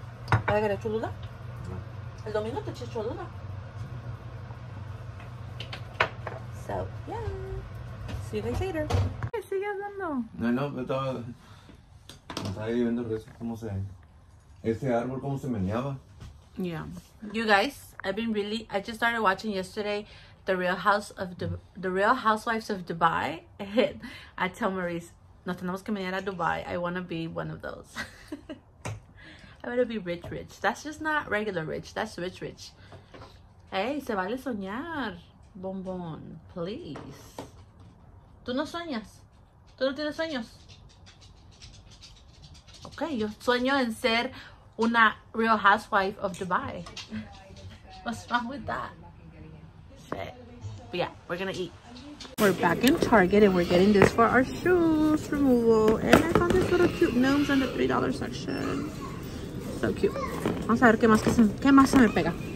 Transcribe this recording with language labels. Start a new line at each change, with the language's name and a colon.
Spanish: ¿Vas a querer cholula? No. El domingo te eché cholula.
English: So, yeah. See you guys later.
Spanish: ¿Qué sigue hablando? No, me estaba viendo el resto, cómo se... Ese árbol, cómo se meneaba.
English: Yeah. You guys, I just started watching yesterday The Real Housewives of Dubai. And I tell
Spanish: Maurice, no tenemos que venir a Dubai.
English: I want to be one of those. I want to be rich, rich. That's just not regular rich. That's rich, rich.
Spanish: Hey, se vale soñar, bombón. Please. ¿Tú no sueñas? ¿Tú no tienes sueños?
English: Okay,
Spanish: yo sueño en ser una Real Housewife of Dubai.
English: What's wrong with that? But yeah, we're gonna eat. We're back in Target and we're getting this for our shoes removal. And I found this little cute gnomes in the $3 section. So cute.
Spanish: Vamos a ver qué más se me pega.